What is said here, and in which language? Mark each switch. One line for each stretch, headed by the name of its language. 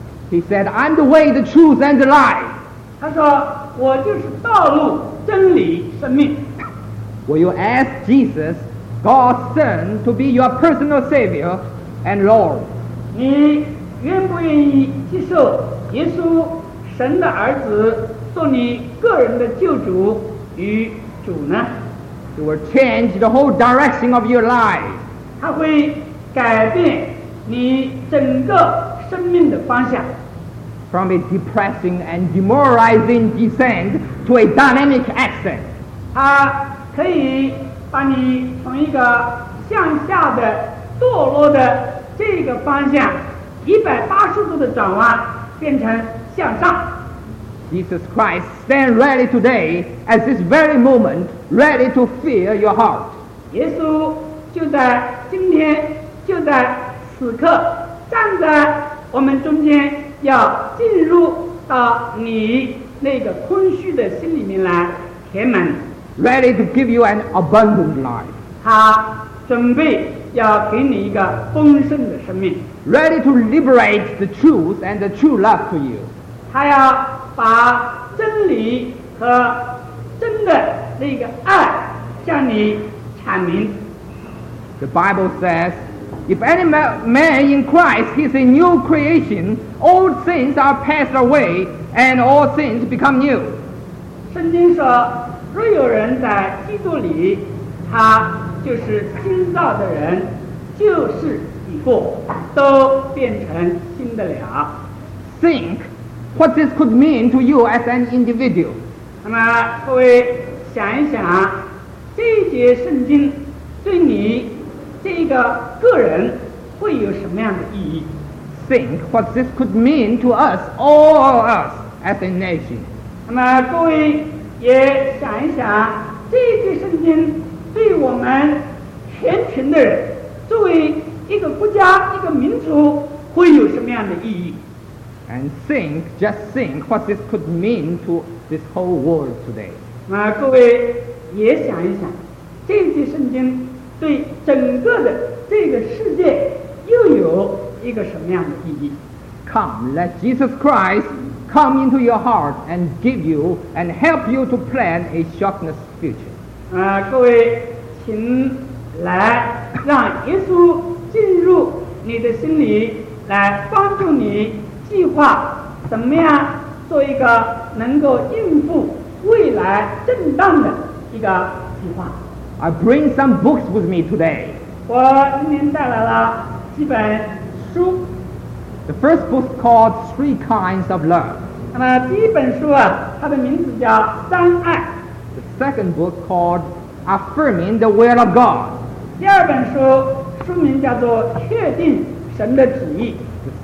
English: He said, I'm the way, the truth and the life.
Chinese: 他说我就是道路真理生命。
English: Will you ask Jesus, God's son, to be your personal savior and lord?
Chinese: 你愿不愿意接受耶稣神的儿子做你个人的救主与主呢？
English: He will change the whole direction of your life.
Chinese: 他会改变你整个生命的方向。
English: From a depressing and demoralizing descent to a dynamic ascent.
Chinese: 他可以把你从一个向下的堕落的这个方向180度的转弯变成向上。
English: Jesus Christ, stand ready today, at this very moment, ready to fill your heart.
Chinese: 耶稣就在今天，就在此刻，站在我们中间，要进入到你那个空虚的心里面来填满。
English: Ready to give you an abundant life.
Chinese: 他准备要给你一个丰盛的生命。
English: Ready to liberate the truth and the true love to you.
Chinese: 他要把真理和真的那个爱向你阐明。
English: The Bible says, if any man in Christ is a new creation, old things are passed away and all things become new.
Chinese: 圣经说，若有人在基督里，他就是新造的人，旧事已过，都变成新的了。
English: Think. What this could mean to you as an individual.
Chinese: 那么各位想一想，这一节圣经对你这个个人会有什么样的意义？
English: Think what this could mean to us, all of us, as a nation.
Chinese: 那么各位也想一想，这一节圣经对我们全群的人，作为一个国家、一个民族，会有什么样的意义？
English: And think, just think, what this could mean to this whole world today.
Chinese: 那各位也想一想，这句圣经对整个的这个世界又有一个什么样的意义？
English: Come, let Jesus Christ come into your heart and give you and help you to plan a shockless future.
Chinese: 那各位，请来让耶稣进入你的心里，来帮助你。计划怎么样做一个能够应付未来震荡的一个计划。
English: I bring some books with me today.
Chinese: 我您带来了几本书。
English: The first book called Three Kinds of Love.
Chinese: 那么第一本书啊，它的名字叫《三爱》。
English: The second book called Affirming the Will of God.
Chinese: 第二本书书名叫做《确定神的旨意》。